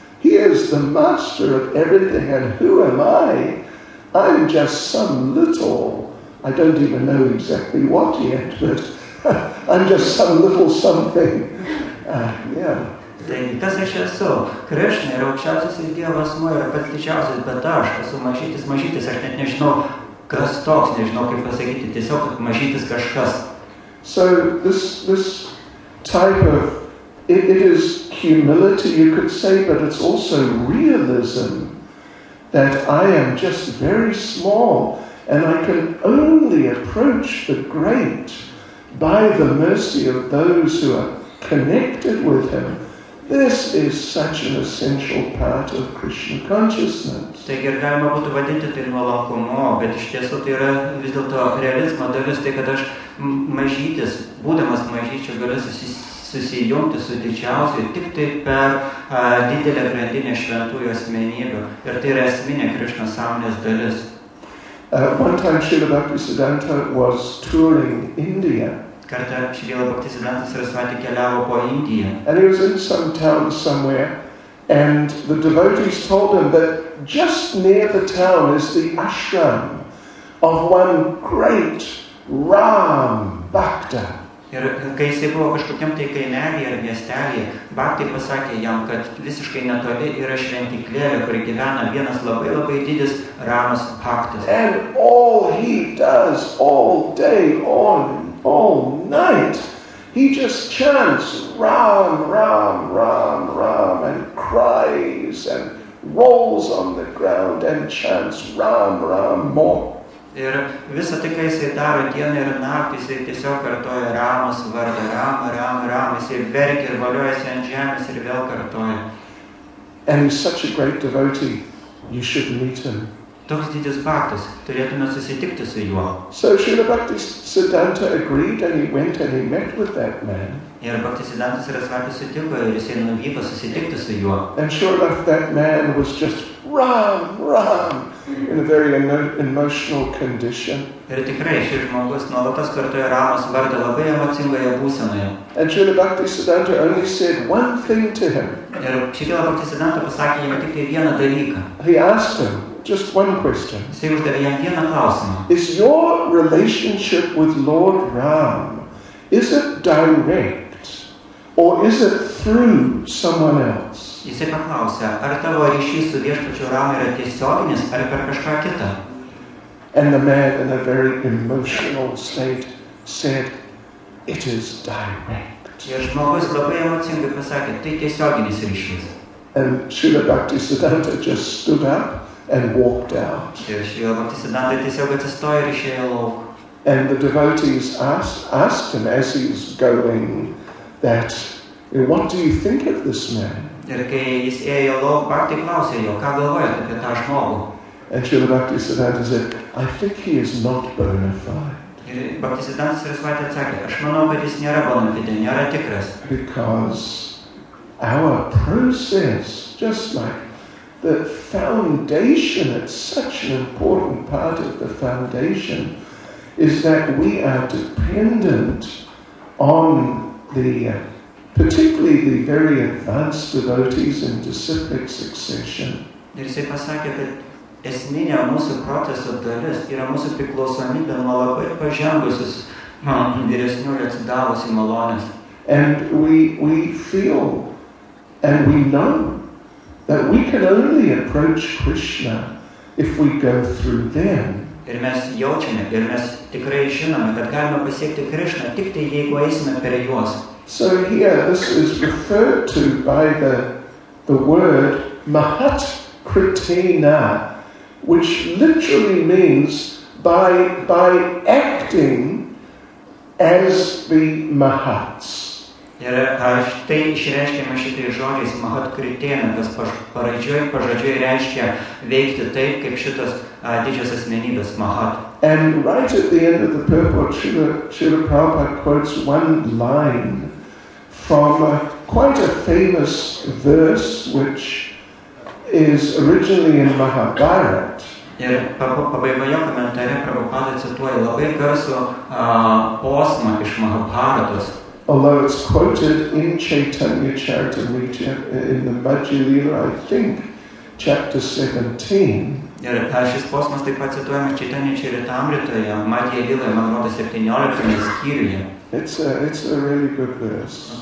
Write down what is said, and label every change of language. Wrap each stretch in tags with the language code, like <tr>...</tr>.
<en>He is the master of everything, and who am I? I'm just some little, I don't even know exactly what yet, but I'm just some little something.</en> <lt>Tai kas aš esu? Krishna yra aukščiausiasis dievas, yra pats didžiausias, bet aš esu mažytis, mažytis. Aš net nežinau, kas toks, nežinau, kaip pasakyti. Tiesiog mažytis kažkas.</lt> <en>So this type of, it is humility, you could say, but it's also realism. That I am just very small and I can only approach the great by the mercy of those who are connected with him. This is such an essential part of Krishna consciousness.</en> <lt>Taigi ir galima būtų vadinti tai nuolankumu, bet iš tiesų tai yra vis dėlto realizmo dalis, tai kad aš mažytis, būdamas mažyčias, galiu susijungti su didžiausiu tik tai per didelę grandinę šventųjų asmenybių. Ir tai yra esminė Krishna sąmonės dalis.</lt> <en>One time Srila Bhaktisiddhanta was touring India.</en> <lt>Kartą Srila Bhaktisiddhanta Sarasvati keliavo po Indiją.</lt> <en>And he was in some town somewhere, and the devotees told him that just near the town is the ashram of one great Ram Bhakta.</en> <lt>Ir kai jis buvo kažkokiam tai kaimelį ar miestelį, Bhakti pasakė jam, kad visiškai netoli yra šventiklėlė, kur gyvena vienas labai labai didis Ramas Bhaktas.</lt> <en>And all he does all day on, all night, he just chants Ram, Ram, Ram, Ram, and cries and rolls on the ground and chants Ram, Ram, more.</en> <lt>Ir visą tai, kai jisai daro dieną ir naktį, jisai tiesiog kartoja Ramos vardą, Ram, Ram, Ram, jisai verkia ir valiuojasi ant žemės ir vėl kartoja.</lt> <en>And he's such a great devotee, you should meet him.</en> <lt>Toks didis baktas, turėtume susitikti su juo.</lt> <en>So Srila Bhaktisiddhanta agreed and he went and he met with that man.</en> <lt>Ir Bhaktisiddhantas yra svarbus sutiko ir jis nuvyko susitikti su juo.</lt> <en>And sure enough, that man was just ram, ram, in a very emotional condition.</en> <lt>Ir tikrai šis žmogus nuolatos kartojo ramos vardą labai emocingoje būsenoje.</lt> <en>And Srila Bhaktisiddhanta only said one thing to him.</en> <lt>Ir Srila Bhaktisiddhanta pasakė jam tik vieną dalyką.</lt> <en>He asked him, just one question.</en> <lt>Jis uždavė jam vieną klausimą.</lt> <en>Is your relationship with Lord Ram, is it direct or is it through someone else?</en> <lt>Jis paklausė, ar tavo ryšys su viešpačiu Ramu yra tiesioginis ar per kažką kitą?</lt> <en>And the man in a very emotional state said, it is direct.</en> <lt>Ir žmogus labai emocingai pasakė, tai tiesioginis ryšys.</lt> <en>And Srila Bhaktisiddhanta just stood up and walked out.</en> <lt>Srila Bhaktisiddhanta tiesiog atsistojo ir išėjo lauk.</lt> <en>And the devotees asked him as he was going that, what do you think of this man?</en> <lt>Ir kai jis ėjo lauk, Bhakti klausė jo, ką galvojate apie tą žmogų?</lt> <en>And Srila Bhaktisiddhanta said, I think he is not bona fide.</en> <lt>Ir Bhaktisiddhanta Sarasvati atsakė, aš manau, kad jis nėra bona fide, nėra tikras.</lt> <en>Because our process, just like the foundation, it's such an important part of the foundation, is that we are dependent on the, particularly the very advanced devotees in disciplic succession.</en> <lt>Ir jisai pasakė, kad esminė mūsų proceso dalis yra mūsų priklausomybė nuo labai pažengusius vyresniųjų atsidavusių malonės.</lt> <en>And we feel and we know that we can only approach Krishna if we go through them.</en> <lt>Ir mes jaučiame, ir mes tikrai žinome, kad galime pasiekti Krishna tik tai jeigu eisime per juos.</lt> <en>So here this is referred to by the word Mahat Kritena, which literally means by acting as the Mahats.</en> <lt>Ir aš tai išreiškiame šitai žodžiais Mahat Kritena, kas pažodžiui reiškia veikti taip, kaip šitas didžios asmenybės Mahat.</lt> <en>And right at the end of the purport, Srila Prabhupada quotes one line from quite a famous verse which is originally in Mahabharat.</en> <lt>Ir pabaigoje komentare Prabhupada cituoja labai garsų posmą iš Mahabharatos.</lt> <en>Although it's quoted in Chaitanya Charitamrita in the Bhajilila, I think, chapter 17.</en> <lt>Ir šis posmas taip pat cituojamas Chaitanya Charitamritoje, Bhajilila, man rodo 17 skyriuje.</lt> <en>It's a really good verse.</en>